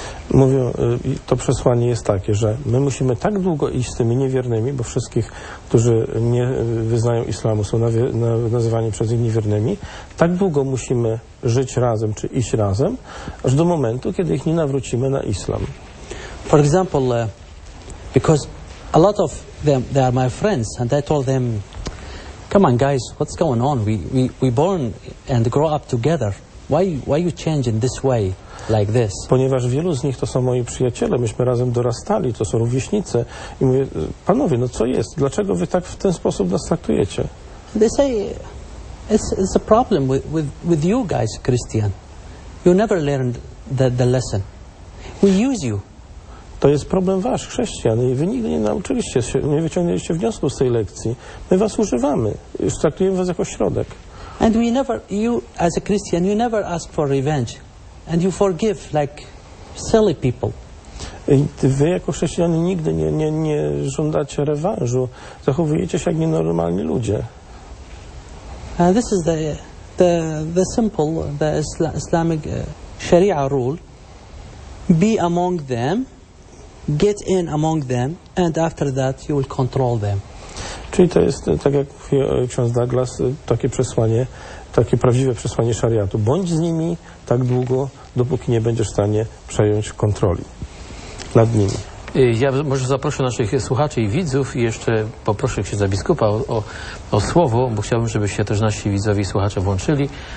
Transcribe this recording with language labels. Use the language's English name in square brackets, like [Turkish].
[Polish] Mówią, to przesłanie jest takie, że my musimy tak długo iść z tymi niewiernymi, bo wszystkich, którzy nie wyznają islamu, są nazywani przez nich niewiernymi, tak długo musimy żyć razem, czy iść razem, aż do momentu, kiedy ich nie nawrócimy na islam. [English] For example, because a lot of them, they are my friends, and I told them, come on guys, what's going on? We born and grow up together. Why you change in this way? Like this. [Polish] Ponieważ wielu z nich to są moi przyjaciele, myśmy razem dorastali, to są rówieśnice. I mówię, panowie, no co jest? Dlaczego wy tak w ten sposób nas traktujecie? [English] They say, it's a problem with you guys, Christian. You never learned the lesson. We use you. [Polish] To jest problem wasz, chrześcijan, i wy nigdy nie nauczyliście się, nie wyciągnęliście wniosku z tej lekcji. My was używamy, już traktujemy was jako środek. [English] And we never, you as a Christian, you never ask for revenge. And you forgive like silly people. [Polish] Wy jako chrześcijanie nigdy nie żądacie rewanżu. Zachowujecie się jak nienormalni ludzie. [English] This is the simple, the Islamic Sharia rule. Be among them, get in among them, and after that you will control them. [Polish] Czyli to jest, tak jak mówi ksiądz Douglas, takie przesłanie, takie prawdziwe przesłanie szariatu. Bądź z nimi tak długo, dopóki nie będziesz w stanie przejąć kontroli nad nimi. Ja może zaproszę naszych słuchaczy i widzów i jeszcze poproszę księdza biskupa o słowo, bo chciałbym, żeby się też nasi widzowie i słuchacze włączyli.